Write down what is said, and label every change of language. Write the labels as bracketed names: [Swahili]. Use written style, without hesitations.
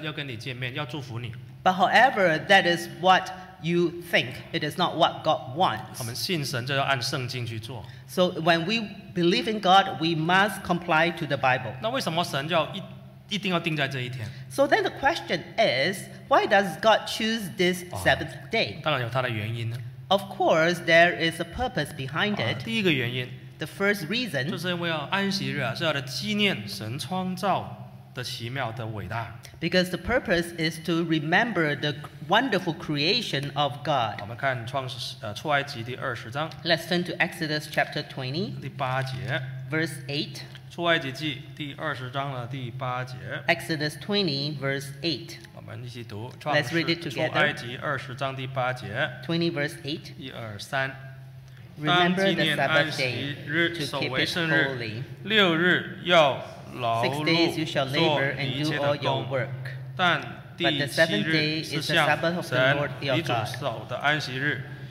[Chinese] 那是你讲的，不是神讲的。神说这一天是我的，我要跟你这一天约在你，要跟你见面，要祝福你。 [English] But however, that is what you think. It is not what God wants. [Chinese] 我们信神就要按圣经去做。 [English] So when we believe in God, we must comply to the Bible. [Chinese] 那为什么神就要一定要定在这一天？ [English] So then the question is, why does God choose this seventh day? [Chinese] 当然有它的原因呢。 [English] Of course, there is a purpose behind it. [Chinese] 第一个原因, [English] the first reason, [Chinese] 就是因为安息日啊，是要来纪念神创造的奇妙的伟大。 [English] Because the purpose is to remember the wonderful creation of God. [Chinese] 我们看出埃及第二十章。 [English] Let's turn to Exodus chapter 20. [Chinese] 第八节。 [English] Verse 8. [Chinese] 出埃及记第二十章的第八节。 [English] Exodus 20 verse 8. [Chinese] 我们一起读。 [English] Let's read it together. [Chinese] 出埃及20章第8节。 [English] 20 verse 8. [Chinese] 一二三。 [English] Remember the Sabbath day to keep it holy. [Chinese] 六日要劳碌做一切的工。 [English] 6 days you shall labor and do all your work. [Chinese] 但第七日是向神你主守的安息日。